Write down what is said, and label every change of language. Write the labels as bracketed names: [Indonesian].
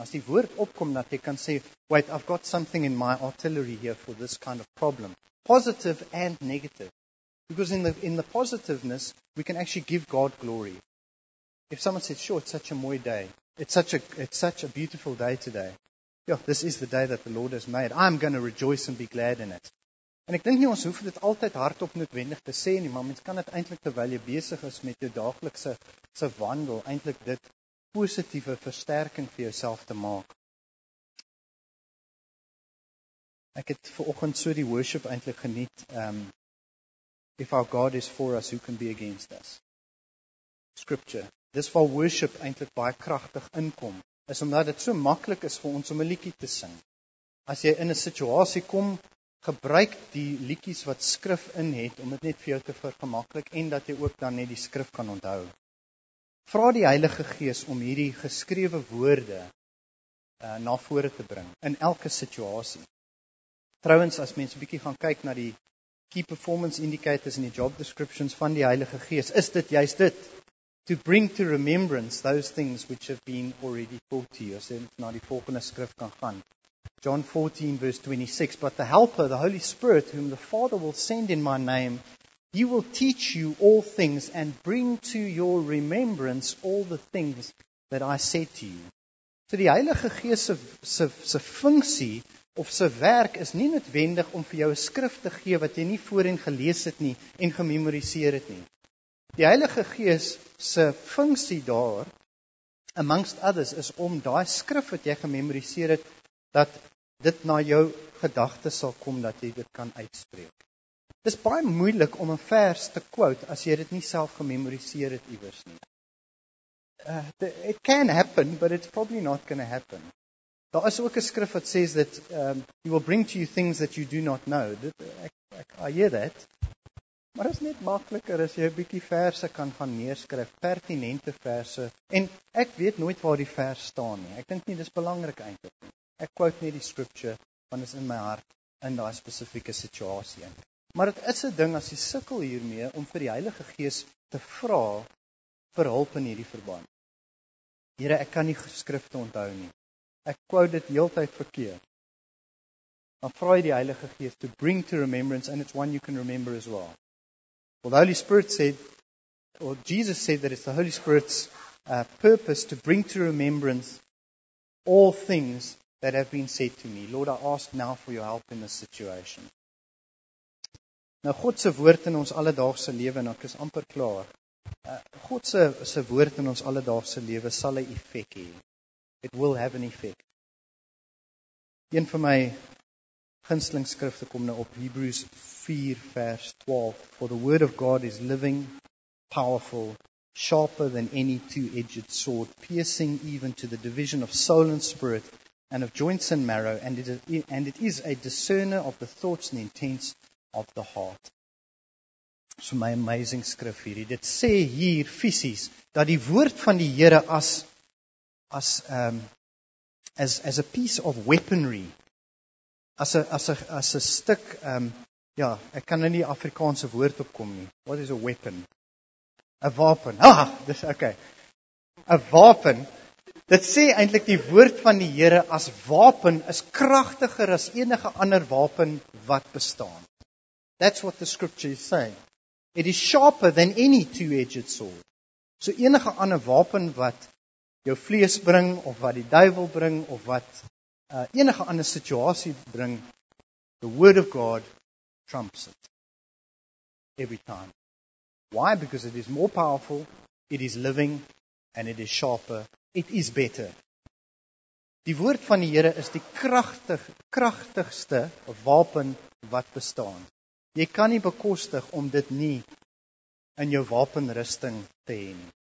[Afrikaans] As die woord opkom, dat jy kan sê, [English] wait, I've got something in my artillery here for this kind of problem. Positive and negative. Because in the positiveness, we can actually give God glory. If someone says, sure, it's such a mooi day. It's such a beautiful day today. Yeah, this is the day that the Lord has made. I'm going to rejoice and be glad in it. [Afrikaans] En ek dink nie ons hoef dit altyd hardop noodwendig te sê nie, maar mens kan dit eintlik terwyl jy besig is met jou daaglikse wandel, eintlik dit positiewe versterking vir jouself te maak. Ek het vanoggend so die worship eintlik geniet. [English] If our God is for us, who can be against us? Scripture. [Afrikaans] Dis waar worship eintlik baie kragtig inkom, is omdat dit so maklik is vir ons om 'n liedjie te sing. As jy in 'n situasie kom, gebruik die liedjies wat skrif in het, om dit net vir jou te vergemaklik, en dat jy ook dan net die skrif kan onthou. Vra die Heilige Gees om hierdie geskrewe woorde na vore te bring, in elke situasie. Trouwens, as mens 'n bietjie gaan kyk na die key performance indicators en die job descriptions van die Heilige Gees, is dit juist dit, [English] to bring to remembrance those things which have been already taught to you, [Afrikaans] as jy na die volgende skrif kan gaan. [English] John 14, verse 26, but the Helper, the Holy Spirit, whom the Father will send in my name, he will teach you all things and bring to your remembrance all the things that I said to you. [Afrikaans] So die Heilige Gees se funksie of se werk is nie noodwendig om vir jou 'n skrif te gee wat jy nie voorheen gelees het nie en gememoriseer het nie. Die Heilige Gees se funksie daar, amongst others, is om daai skrif wat jy gememoriseer het, dat dit na jou gedagte sal kom, dat jy dit kan uitspreek. Dit is baie moeilik om 'n vers te quote, as jy dit nie self gememoriseer het iewers nie. [English] It can happen, but it's probably not going to happen. [Afrikaans] Daar is ook 'n skrif wat sê, [English] that he will bring to you things that you do not know. I hear that. [Afrikaans] Maar is net makliker as jy 'n bietjie verse kan gaan neerskryf, pertinente verse, en ek weet nooit waar die vers staan nie. Ek dink nie, dis belangrik eintlik nie. Ek quote net die scripture, want is in my hart, in daai spesifieke situasie. Maar het is 'n ding, as jy sukkel hiermee, om vir die Heilige Gees te vra, vir hulp in hierdie verband. Here, ek kan nie geskrifte onthou nie. Ek quote dit heeltyd verkeerd. Dan vra jy die Heilige Gees, [English] to bring to remembrance, and it's one you can remember as well. Well, the Holy Spirit said, or Jesus said that it's the Holy Spirit's purpose to bring to remembrance all things that have been said to me. Lord, I ask now for your help in this situation. [Afrikaans] Nou, God se woord in ons alledaagse lewe, en ek is amper klaar, God se woord in ons alledaagse lewe sal 'n effek hê. [English] It will have an effect. [Afrikaans] Een van my gunsteling skrifte kom nou op Hebrews 4 vers 12. [English] For the word of God is living, powerful, sharper than any two-edged sword, piercing even to the division of soul and spirit, and of joints and marrow, and it is a discerner of the thoughts and intents of the heart. [Afrikaans] So my amazing skrif hierdie, dit sê hier fisies, dat die woord van die Here [English] as a piece of weaponry, [Afrikaans] as a stuk, ja, ek kan nie Afrikaanse woord opkom nie. [English] What is a weapon? [Afrikaans] A wapen. Ah, dis okay. A wapen. Dit sê eintlik die woord van die Here as wapen is kragtiger as enige ander wapen wat bestaan. [English] That's what the scripture is saying. It is sharper than any two-edged sword. [Afrikaans] So enige ander wapen wat jou vlees bring, of wat die duivel bring, of wat enige ander situasie bring, [English] the word of God trumps it. Every time. Why? Because it is more powerful, it is living, and it is sharper. It is better. [Afrikaans] Die woord van die Here is die kragtigste wapen wat bestaan. Jy kan nie bekostig om dit nie in jou wapenrusting te hê nie.